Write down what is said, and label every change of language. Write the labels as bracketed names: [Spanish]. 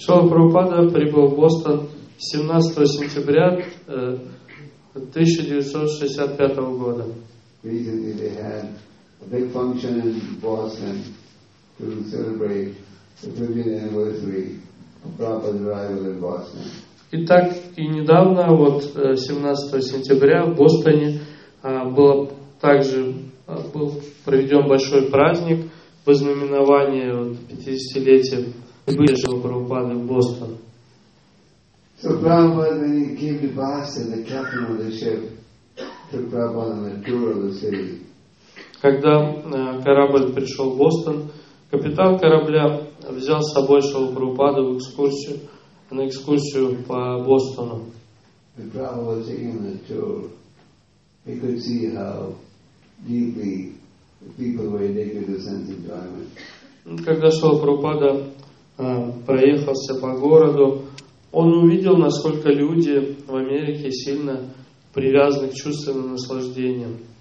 [Russian] Шрила Прабхупада прибыл в Бостон 17 сентября 1965 года. [English] Recently they had a big function in Boston to celebrate the 50th anniversary of Prabhupada's arrival in Boston. [Russian] И так и недавно, вот 17 сентября в Бостоне было также был проведен большой праздник в ознаменование 50-летия прибытия Прабхупады в Бостон. [English] So Prabhupada, when he came to Boston, the captain of the ship took Prabhupada on a tour of the city. [Russian] Когда корабль пришел в Бостон, капитан корабля взял с собой Шрилу Прабхупаду на экскурсию по Бостону. [English] When Prabhupada was taking the tour, he could see how deeply the people were addicted to sense enjoyment. [Russian] Когда Шрила Прабхупада проехался по городу, он увидел, насколько люди в Америке сильно привязаны к чувственным наслаждениям.